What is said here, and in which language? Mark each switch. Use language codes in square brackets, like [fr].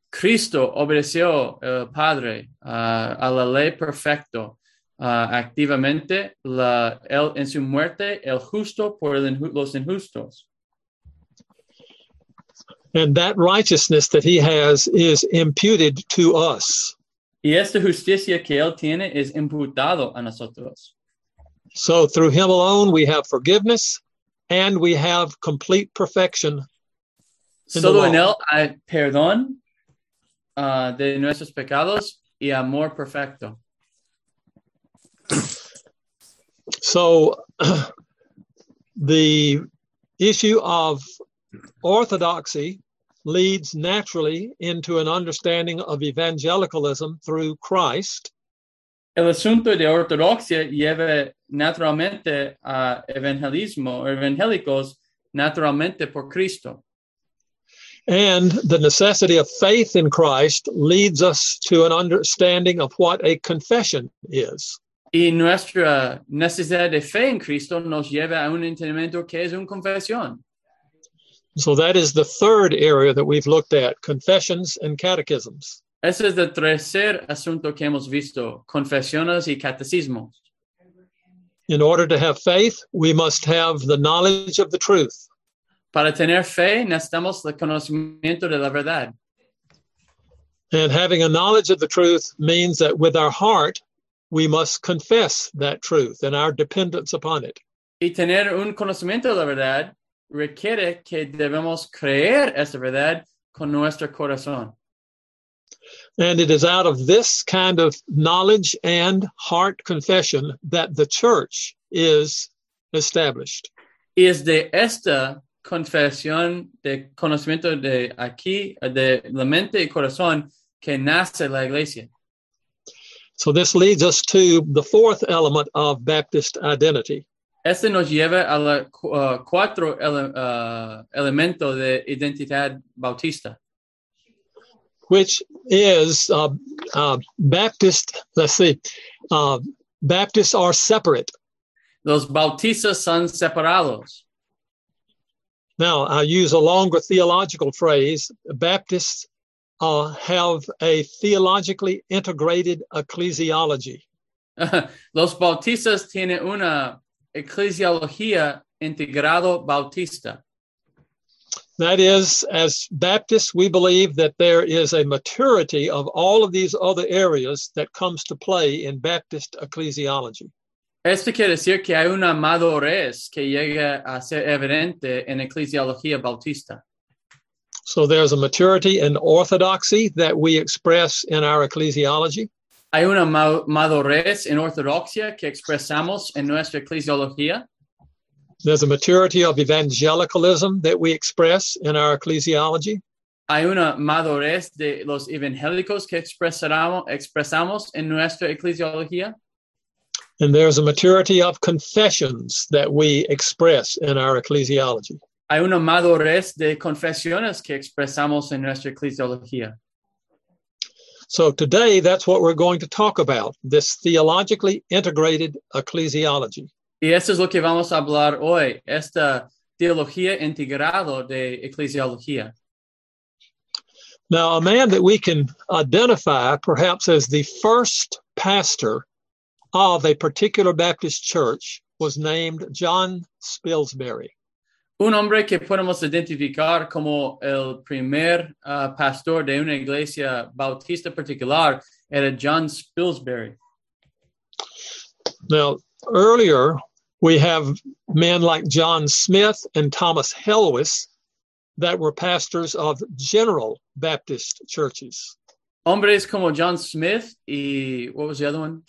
[es] Cristo obedeció el Padre a la ley perfecto activamente, él en su muerte, el justo por los injustos. [en] And that righteousness that he has is imputed to us. [es] Y esta justicia que él tiene es imputado a nosotros. [en] So through him alone we have forgiveness and we have complete perfection. [es] Solo en él hay perdón de nuestros pecados y amor perfecto. [en] So the issue of orthodoxy leads naturally into an understanding of evangelicalism through Christ. [es] El asunto de ortodoxia lleva naturalmente a evangelismo o evangélicos naturalmente por Cristo. [en] And the necessity of faith in Christ leads us to an understanding of what a confession is. [es] Y nuestra necesidad de fe en Cristo nos lleva a un entendimiento que es una confesión. [en] So that is the third area that we've looked at, confessions and catechisms. [es] Ese es el tercer asunto que hemos visto, confesiones y catecismos. [en] In order to have faith, we must have the knowledge of the truth. [es] Para tener fe, necesitamos el conocimiento de la verdad. [en] And having a knowledge of the truth means that with our heart, we must confess that truth and our dependence upon it. [es] Y tener un conocimiento de la verdad requiere que debemos creer esa verdad con nuestro corazón. [en] And it is out of this kind of knowledge and heart confession that the church is established. [es] Es de esta confesión de conocimiento de aquí, de la mente y corazón, que nace la iglesia. [en] So this leads us to the fourth element of Baptist identity. [es] Este nos lleva a la cuatro elemento de identidad bautista. [en] Which is Baptist, let's see, Baptists are separate. [es] Los bautistas son separados. [en] Now, I use a longer theological phrase. Baptists have a theologically integrated ecclesiology. [es] Los bautistas tienen una eclesiología integrado bautista. [en] That is, as Baptists, we believe that there is a maturity of all of these other areas that comes to play in Baptist ecclesiology. [es] Esto quiere decir que hay una madurez que llega a ser evidente en eclesiología bautista. [en] So there's a maturity in orthodoxy that we express in our ecclesiology. [es] Hay una madurez en ortodoxia que expresamos en nuestra eclesiología. [en] There's a maturity of evangelicalism that we express in our ecclesiology. [es] Hay una madurez de los evangélicos que expresamos en nuestra eclesiología. [en] And there's a maturity of confessions that we express in our ecclesiology. [es] Hay una madurez de confesiones que expresamos en nuestra eclesiología. [en] So today, that's what we're going to talk about, this theologically integrated ecclesiology. [es] Y esto es lo que vamos a hablar hoy, esta teología integrada de eclesiología. [en] Now, a man that we can identify perhaps as the first pastor of a particular Baptist church was named John Spilsbury. [es] Un hombre que podemos identificar como el primer pastor de una iglesia bautista particular era John Spilsbury. [en] Now, earlier, we have men like John Smith and Thomas Helwys that were pastors of general Baptist churches. [es] Hombres como John Smith y, [en] what was the other one?